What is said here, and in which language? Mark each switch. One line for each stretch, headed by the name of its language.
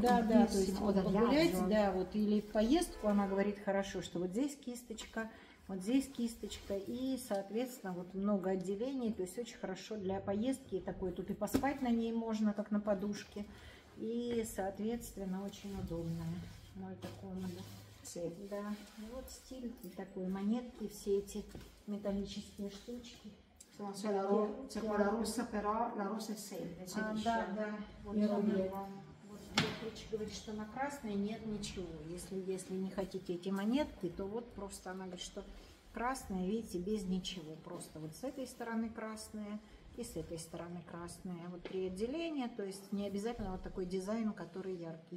Russian: да-да, то есть вот погулять, да, вот, или в поездку, она говорит, хорошо, что вот здесь кисточка, вот здесь кисточка, и, соответственно, вот много отделений, то есть очень хорошо для поездки такой, тут и поспать на ней можно, как на подушке, и, соответственно, очень удобная мой это комода. Да, вот стиль такой, монетки, все эти металлические штучки.
Italian: C'è la rossa, però la rossa è semplice.
Russian: Да, да. Вот Ключ говорит, что на красный нет ничего. Если не хотите эти монетки, то вот просто она говорит, что красные, видите, без ничего. Просто вот с этой стороны красные и с этой стороны красные. Вот при отделении, то есть не обязательно вот такой дизайн, который яркий.